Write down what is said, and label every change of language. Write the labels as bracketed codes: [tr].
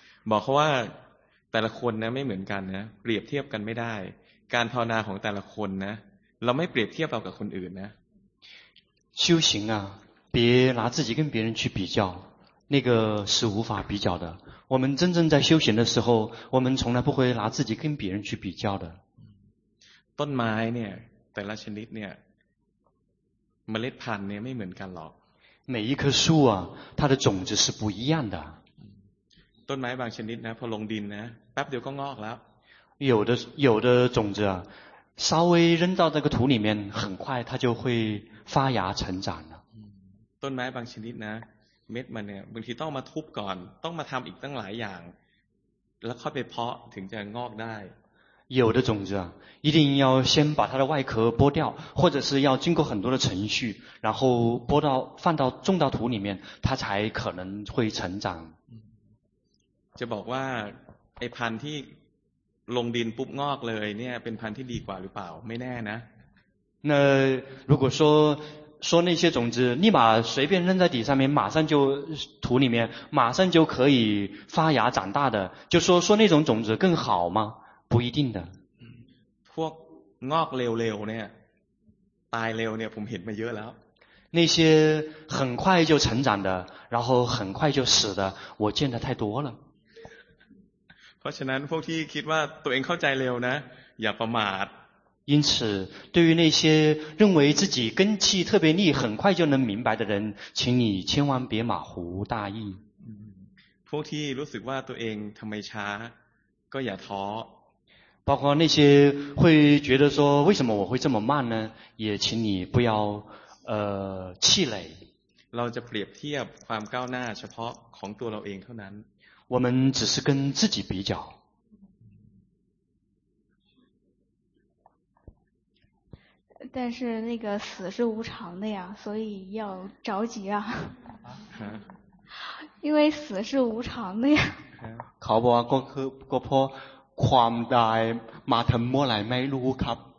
[th] บอกเขาว่าแต่ละคนนะไม่เหมือนกันนะเปรียบเทียบกันไม่ได้การภาวนาของแต่ละคนนะเราไม่เปรียบเทียบเรากับคนอื่นนะ [zh] 修行啊别拿自己跟别人去比较那个是无法比较的我们真正在修行的时候我们从来不会拿自己跟别人去比较的 [th] ต้นไม้เนี่ยแต่ละชนิดเนี่ยเมล็ดพันธุ์เนี่ยไม่เหมือนกันหรอก [zh] 每一棵树啊它的种子是不一样的 [th] ต้นไม้บางชนิดนะพอลงดินนะแป๊บเดียวก็งอกแล้ว [zh] 有的种子啊稍微扔到那个土里面很快它就会发芽成长了 [th] ต้นไม้บางชนิดนะเม็ดมันเนี่ยบางทีต้องมาทุบก่อนต้องมาทำอีกตั้งหลายอย่างแล้วค่อยไปเพาะถึงจะงอกได้ [zh] 有的种子啊一定要先把它的外壳剥掉或者是要经过很多的程序然后剥到放到种到土里面它才可能会成长 [th] จะบอกว่าไอ้พันธุ์ที่ลงดินปุ๊บงอกเลยเนี่ยเป็นพันธุ์ที่ดีกว่าหรือเปล่าไม่แน่นะ [zh] 那如果说那些种子立马随便扔在地上面马上就土里面马上就可以发芽长大的就说那种种子更好吗不一定的 [th] พวกงอกเร็วๆเนี่ยตายเร็วเนี่ยผมเห็นมาเยอะแล้ว [zh] 那些很快就成长的然后很快就死的我见得太多了 [th] เพราะฉะนั้นพวกที่คิดว่าตัวเองเข้าใจเร็วนะอย่าประมาท [zh] 因此对于那些认为自己根气特别利很快就能明白的人请你千万别马虎大意 [th] พวกที่รู้สึกว่าตัวเองทำไมช้าก็อย่าท้อ [zh] 包括那些会觉得说为什么我会这么慢呢也请你不要气馁 [th] เราจะเปรียบเทียบความก้าวหน้าเฉพาะของตัวเราเองเท่านั้น [zh] 我们只是跟自己比较但是那个死是无常的呀所以要着急啊因为死是无常的呀 [th] เขาบอกว่าก็เพราะความตายมาถึงเมื่อไหร่ไม่รู้ครับ